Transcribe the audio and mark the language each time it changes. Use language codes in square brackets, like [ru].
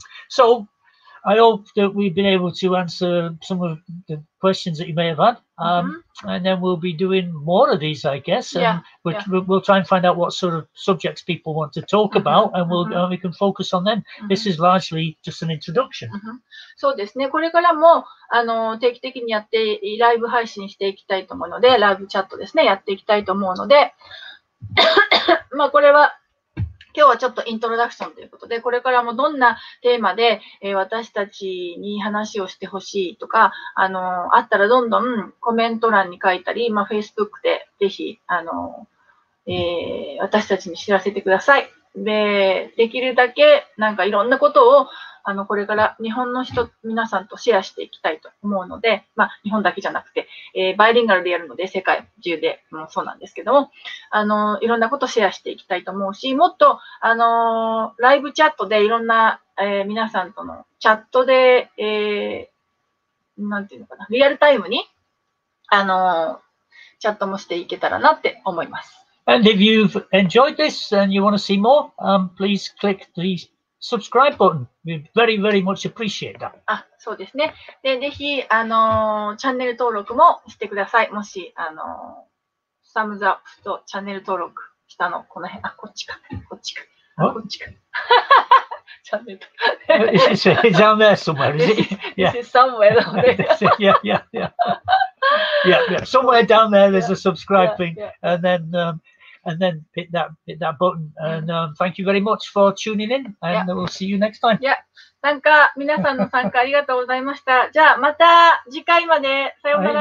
[en] So, I hope that we've been able to answer some of the questions that you may have had. And then we'll be doing more of these, I guess. And we'll try and find out what sort of subjects people want to talk about, and we can focus on them. This is largely just an introduction. [ja] そうですね。これからも定期的にやってライブ配信していきたいと思うので、ライブチャットですね、やっていきたいと思うので、まあこれは今日はちょっとイントロダクションということで、これからもどんなテーマで、私たちに話をしてほしいとか、あったらどんどんコメント欄に書いたり、まあ、Facebook でぜひ、私たちに知らせてください。で、できるだけなんかいろんなことを、これから日本の人、皆さんとシェアしていきたいと思うので、まあ、日本だけじゃなくて、バイリンガルでやるので、世界中でもそうなんですけども、いろんなことシェアしていきたいと思うし、もっと、ライブチャットでいろんな、皆さんとのチャットで、なんていうのかな、リアルタイムに、チャットもしていけたらなって思います。 [en] And if you've enjoyed this and you want to see more, please click the subscribe button. We very, very much appreciate that. [ja] あ、そうですね。で、ぜひ、チャンネル登録もしてください。もし、サムズアップとチャンネル登録したの、この辺、あ、こっちか、こっちか、こっちか。 [en] It's down there somewhere, is it? Yeah. This is somewhere down there. Yeah. Somewhere down there, there's a subscribe thing. And then hit that button. And thank you very much for tuning in. And we'll see you next time. [ja] Yeah. なんか皆さんの参加ありがとうございました。じゃあまた次回まで。さようなら。